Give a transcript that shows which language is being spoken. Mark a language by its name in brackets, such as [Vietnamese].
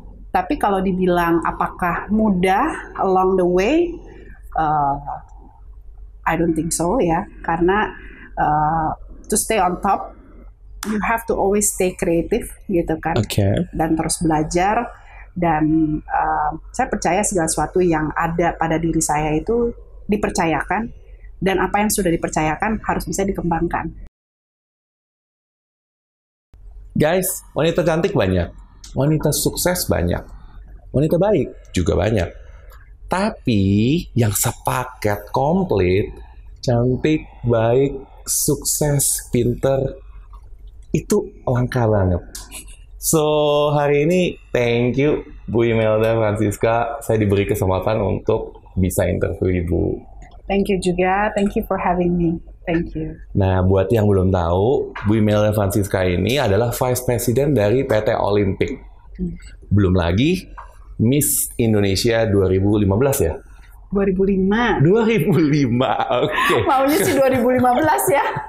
[Indonesian] Tapi kalau dibilang apakah mudah [English] along the way, I don't think so [Indonesian] ya, karena [English] to stay on top, you have to always stay creative, [Indonesian] gitu kan, [English] Okay. [Indonesian] dan terus belajar. Dan saya percaya segala sesuatu yang ada pada diri saya itu dipercayakan, dan apa yang sudah dipercayakan harus bisa dikembangkan. Guys, wanita cantik banyak, wanita sukses banyak, wanita baik juga banyak. Tapi yang sepaket komplit, cantik, baik, sukses, pinter, itu langka banget. So, hari ini [English] thank you [Indonesian] Bu Imelda Francisca, saya diberi kesempatan untuk bisa interview Ibu. [English] Thank you juga, thank you for having me. Thank you. [Indonesian] Nah, buat yang belum tahu, Bu Imelda Francisca ini adalah Vice President dari PT Olimpik. Belum lagi Miss Indonesia 2015 ya? 2005. 2005, oke. [English] Okay. [Indonesian] Maunya sih 2015 ya.